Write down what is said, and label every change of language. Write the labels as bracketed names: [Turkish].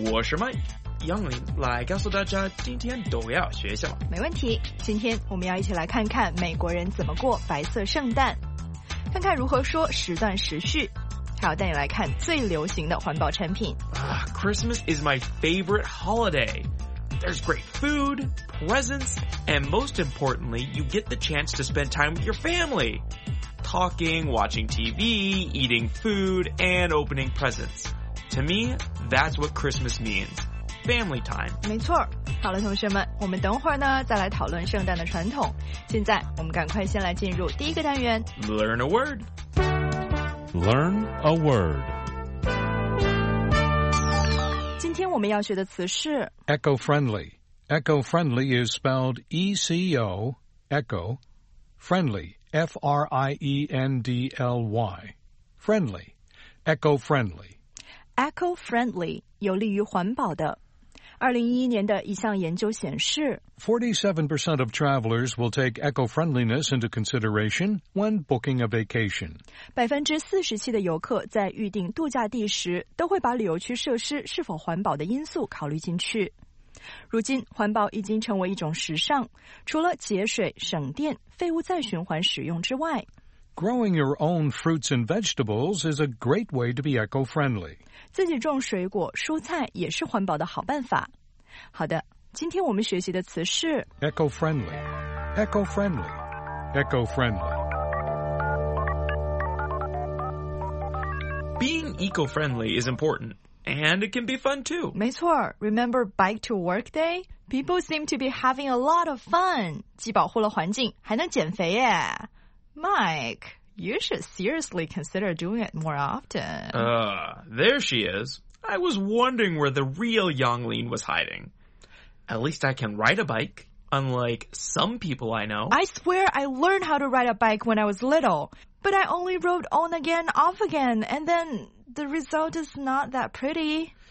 [Chinese] 我是麦。杨林来告诉大家今天都要学什么。没问题，今天我们要一起来看看美国人怎么过白色圣诞，看看如何说时段时序，还要带你来看最流行的环保产品。 [English] Christmas is my favorite holiday. There's great food, presents, and most importantly, you get the chance to spend time with your family. Talking, watching TV, eating food, and opening presents. To me, that's what Christmas means. Family time. [Chinese] 没错。好了，同学们，我们等会儿呢再来讨论圣诞的传统。现在我们赶快先来进入第一个单元。 [English] Learn a word. Learn a word. [Chinese] 今天我们要学的词是 [English] eco-friendly. Eco-friendly is spelled E-C-O, echo, friendly, F-R-I-E-N-D-L-Y. Friendly, eco-friendly. [Chinese] Eco-friendly, 有利于环保的。2011年的一项研究显示 [English] 47% of travelers will take eco-friendliness into consideration when booking a vacation. [Chinese] 47%的游客在预订度假地时都会把旅游区设施是否环保的因素考虑进去。如今环保已经成为一种时尚，除了节水、省电、废物再循环使用之外， [English] Growing your own fruits and vegetables is a great way to be eco-friendly. [Chinese] 自己种水果、蔬菜也是环保的好办法。好的，今天我们学习的词是 [English] eco-friendly, eco-friendly, eco-friendly. Being eco-friendly is important, and it can be fun too. [Chinese] 没错 [English] ,remember bike to work day? People seem to be having a lot of fun. [Chinese] 既保护了环境还能减肥耶。 [English] Mike, you should seriously consider doing it more often. There she is. I was wondering where the real Yang Lin was hiding. At least I can ride a bike, unlike some people I know. I swear I learned how to ride a bike when I was little, but I only rode on again, off again, and then the result is not that pretty.